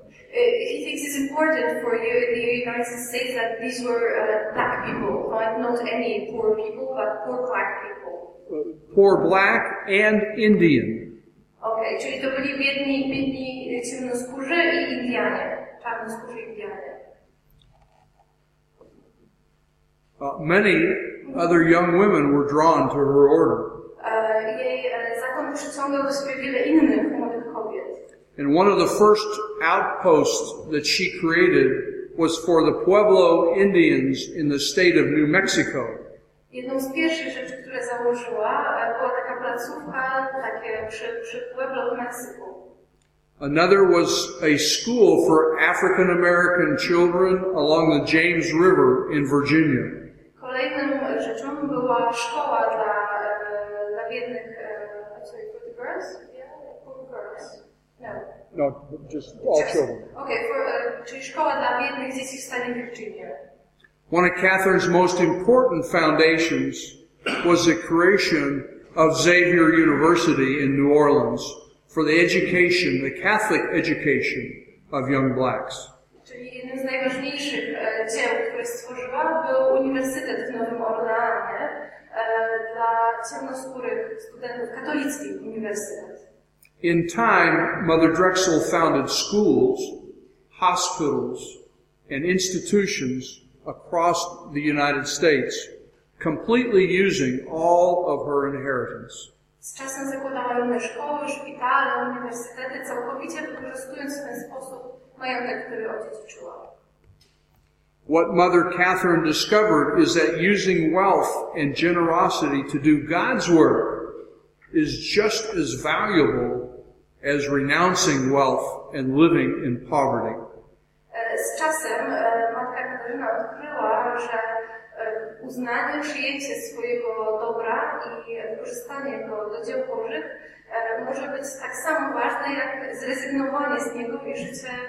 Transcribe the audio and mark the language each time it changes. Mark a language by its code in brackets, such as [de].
[en] He thinks it's important for you in the United States that these were black people, not any poor people, but poor black people. Poor black and Indian. [pl] Okay, czyli to byli biedni ciemnoskórzy i Indianie. Czarnoskórzy i Indianie. [en] Many other young women were drawn to her order. [pl] Zakon przyciągał do siebie wiele innych młodych kobiet. [en] And one of the first outposts that she created was for the Pueblo Indians in the state of New Mexico. [pl] Jedną z pierwszych rzeczy, które założyła, była taka placówka, takie przy Pueblo w Meksyku. [en] Another was a school for African American children along the James River in Virginia. [pl] Kolejną rzeczą była szkoła dla biednych, [en] poor girls? Yeah, poor girls. No. No, just all children. [pl] Okay, czyli szkoła dla biednych dzieci w stanie Virginia. [en] One of Catherine's most important foundations was the creation of Xavier University in New Orleans for the education, the Catholic education of young blacks. [pl] Czyli jednym z najważniejszych dzieł, które stworzyła, był Uniwersytet w Nowym Orleanie dla ciemnoskórych studentów, katolickich uniwersytet. [en] In time, Mother Drexel founded schools, hospitals, and institutions across the United States, completely using all of her inheritance. [pl] Z czasem zakładała inne szkoły, szpitale, uniwersytety, całkowicie wykorzystując w ten sposób majątek, który odziedziczyła. [en] What Mother Catherine discovered is that using wealth and generosity to do God's work is just as valuable as renouncing wealth and living in poverty. [pl] Z czasem Matka Katarzyna odkryła, że uznanie, przyjęcie swojego dobra i wykorzystanie go do dzieł Bożych może być tak samo ważne, jak zrezygnowanie z niego i życie.